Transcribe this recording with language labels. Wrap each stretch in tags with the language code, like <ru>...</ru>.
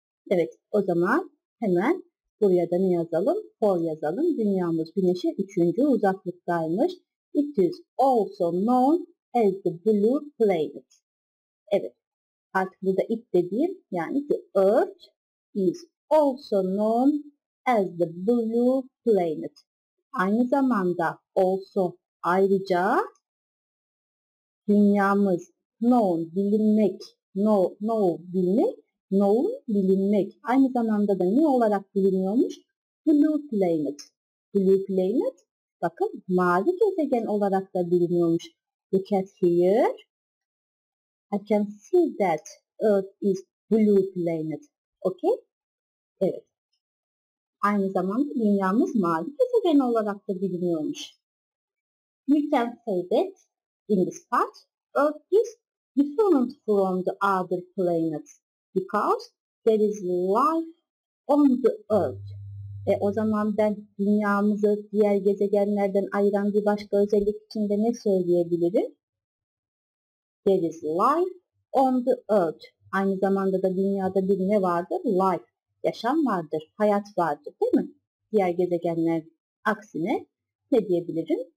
<tr>Evet, o zaman hemen buraya da ne yazalım? For yazalım. Dünyamız güneşe üçüncü uzaklıktaymış.</tr> <en>It is also known as the blue planet.</en> <tr>Evet, artık burada</tr> <en>it</en> <tr>dediğim yani</tr> <en>the earth is also known as the blue planet.</en> <tr>Aynı zamanda also ayrıca dünyamız known bilinmek, know bilmek, known bilinmek. Aynı zamanda da ne olarak biliniyormuş? Blue planet. Blue planet, bakın mavi gezegen olarak da biliniyormuş.</tr> <en>Look at here. I can see that Earth is blue planet. Okay? Evet.</en> <tr>Aynı zamanda dünyamız mavi gezegen olarak da biliniyormuş.</tr> <en>We can say that in this part, Earth is different from the other planets because there is life on the earth.</en> <tr>O zaman ben dünyamızı diğer gezegenlerden ayıran bir başka özellik içinde ne söyleyebilirim?</tr> <en>There is life on the earth.</en> <tr>Aynı zamanda da dünyada bir ne vardır? Life, yaşam vardır, hayat vardır, değil mi? Diğer gezegenler aksine ne diyebilirim?</tr>